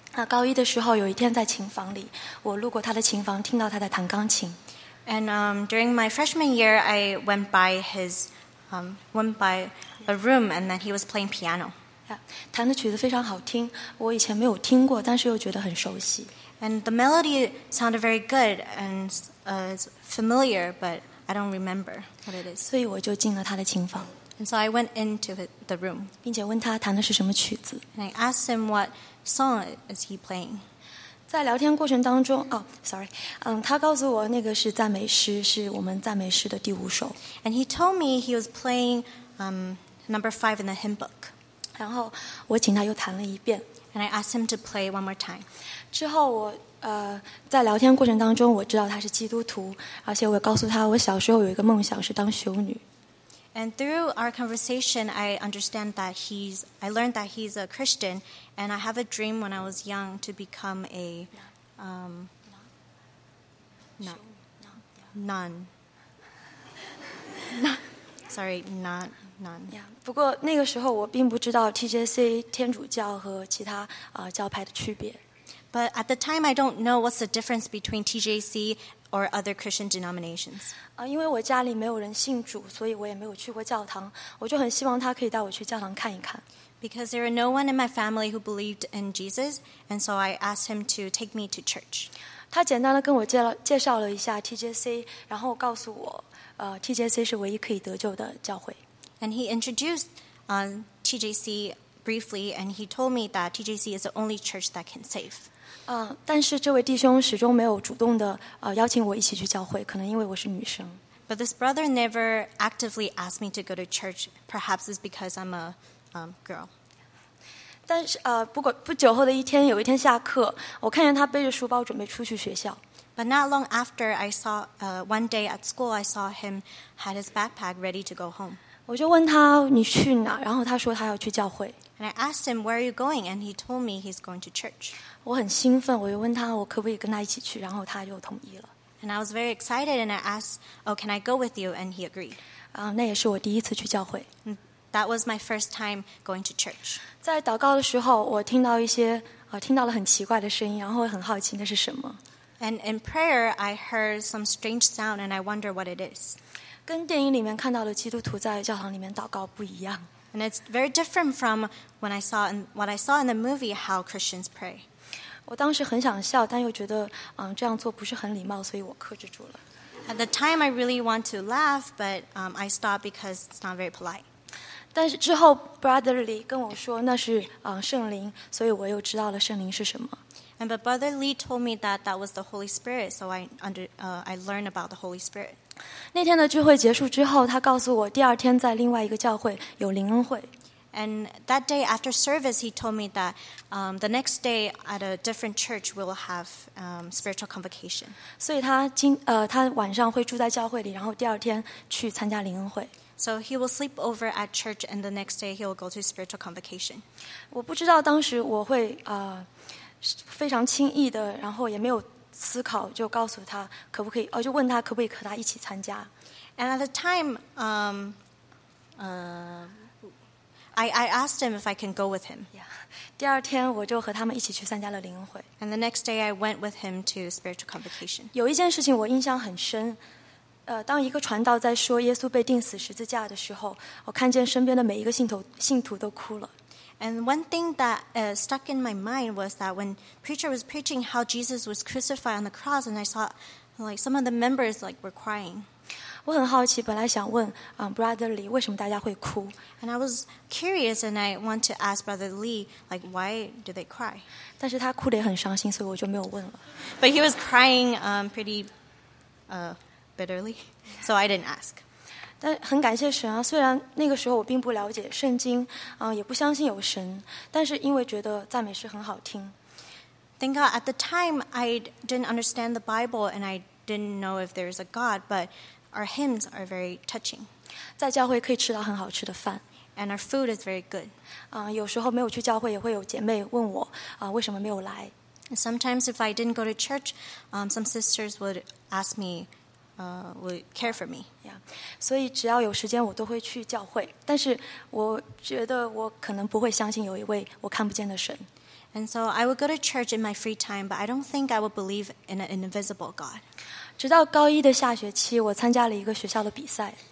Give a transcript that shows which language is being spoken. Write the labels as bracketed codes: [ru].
[zh] 高一的时候有一天在琴房里，我路过他的琴房，听到他在弹钢琴。 [en] And during my freshman year, I went by his a room, and then he was playing piano. Yeah. [zh] 弹的曲子非常好听，我以前没有听过，但是又觉得很熟悉。 [en] And the melody sounded very good and is familiar, but I don't remember what it is. [zh] 所以我就进了他的琴房。 [en] And so I went into the room. [zh] 并且问他弹的是什么曲子。 [en] And I asked him what song is he playing. [zh] 在聊天过程当中，他告诉我那个是赞美诗，是我们赞美诗的第五首。 [en] And he told me he was playing number 5 in the hymn book. [zh] 然后我请他又弹了一遍。 [en] And I asked him to play one more time. [zh] 之后我在聊天过程当中，我知道他是基督徒，而且我告诉他我小时候有一个梦想是当修女。 [en] And through our conversation, I learned that he's a Christian, and I have a dream when I was young to become a nun. [zh] 不过那个时候我并不知道 TJC 天主教和其他教派的区别。 [en] But at the time, I don't know what's the difference between TJC or other Christian denominations. [zh] 因为我家里没有人信主，所以我也没有去过教堂。我就很希望他可以带我去教堂看一看。 [en] Because there were no one in my family who believed in Jesus, and so I asked him to take me to church. [zh] 他简单的跟我介绍了一下 TJC， 然后告诉我TJC 是唯一可以得救的教会。 [en] And he introduced TJC briefly, and he told me that TJC is the only church that can save. [zh] 但是这位弟兄始终没有主动的邀请我一起去教会，可能因为我是女生。 [en] But this brother never actively asked me to go to church. Perhaps it's because I'm a girl. [zh] 但是不久后的一天，有一天下课，我看见他背着书包准备出去学校。 [en] But not long after, I saw one day at school, I saw him had his backpack ready to go home. [zh] 我就问他你去哪，然后他说他要去教会。 [en] And I asked him where are you going, and he told me he's going to church. [zh] 我很兴奋，我又问他我可不可以跟他一起去，然后他就同意了。 [en] And I was very excited, and I asked, "Oh, can I go with you?" And he agreed. [zh] 那也是我第一次去教会。 [en] That was my first time going to church. [zh] 在祷告的时候，我听到了很奇怪的声音，然后很好奇那是什么。 [en] And in prayer, I heard some strange sound, and I wonder what it is. [zh] 跟电影里面看到的基督徒在教堂里面祷告不一样。 [en] And it's very different from what I saw in the movie how Christians pray. [zh] 我当时很想笑，但又觉得这样做不是很礼貌，所以我克制住了。 [en] At the time, I really want to laugh, but I stopped because it's not very polite. [zh] 但是之后 Brother Lee 跟我说那是圣灵，所以我又知道了圣灵是什么。 [en] And but Brother Lee told me that was the Holy Spirit, so I learned about the Holy Spirit. [zh] 那天的聚会结束之后，他告诉我第二天在另外一个教会有灵恩会。 [en] And that day after service, he told me that the next day at a different church we'll have spiritual convocation. [zh] 所以他晚上会住在教会里，然后第二天去参加灵恩会。 [en] So he will sleep over at church, and the next day he will go to spiritual convocation. [zh] 我不知道当时我会非常轻易的，然后也没有。思考就告诉他可不可以，就问他可不可以和他一起参加。 [en] And at the time, I asked him if I can go with him. Yeah. [zh] 第二天我就和他们一起去参加了灵恩会。 [en] And the next day I went with him to spiritual convocation. [zh] 有一件事情我印象很深。当一个传道在说耶稣被钉死十字架的时候，我看见身边的每一个信徒都哭了。 [en] And one thing that stuck in my mind was that when preacher was preaching how Jesus was crucified on the cross, and I saw like some of the members like were crying. [zh] 我很好奇，本来想问Brother Lee 为什么大家会哭。 [en] And I was curious, and I want to ask Brother Lee like why do they cry? [zh] 但是他哭得也很伤心，所以我就没有问了。 [en] But he was crying pretty bitterly, so I didn't ask. [zh] 但很感谢神啊！虽然那个时候我并不了解圣经，也不相信有神，但是因为觉得赞美诗很好听。 [en] Thank God. At the time, I didn't understand the Bible, and I didn't know if there's a God. But our hymns are very touching. [zh] 在教会可以吃到很好吃的饭。 [en] And our food is very good. [zh] 有时候没有去教会，也会有姐妹问我为什么没有来。 [en] And sometimes, if I didn't go to church, some sisters would ask me. Would care for me. Yeah. [zh] 所以只要有时间，我都会去教会。但是我觉得我可能不会相信有一位我看不见的神。 [en] And so I would go to church in my free time, but I don't think I would believe in an invisible God. [zh] 直到高一的下学期，我参加了一个学校的比赛。